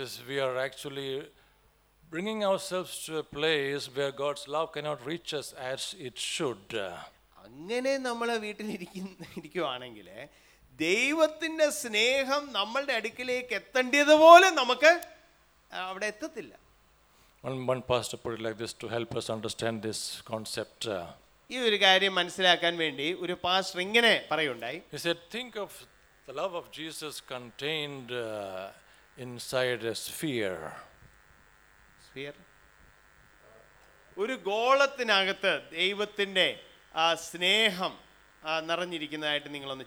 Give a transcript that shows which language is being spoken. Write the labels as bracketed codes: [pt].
[en] We are actually bringing ourselves to a place where God's love cannot reach us as it should. [ml] അങ്ങനെ നമ്മൾ വീട്ടിലിരിക്കുവാണെങ്കിൽ ദൈവത്തിന്റെ സ്നേഹം നമ്മളുടെ അടുക്കിലേക്ക് എത്തേണ്ടതുപോലെ നമുക്ക് അവിടെ എത്തത്തില്ല. [en] One pastor put it like this to help us understand this concept. [ml] ഈ ഒരു കാര്യം മനസ്സിലാക്കാൻ വേണ്ടി ഒരു പാസ്റ്റർ ഇങ്ങനെ പറയുണ്ടായി. [en] He said, think of the love of Jesus contained inside a sphere. Sphere? [ml] ഒരു ഗോളത്തിനകത്ത് ദൈവത്തിൻ്റെ ആ സ്നേഹം നിറഞ്ഞിരിക്കുന്നതായിട്ട് നിങ്ങളൊന്ന്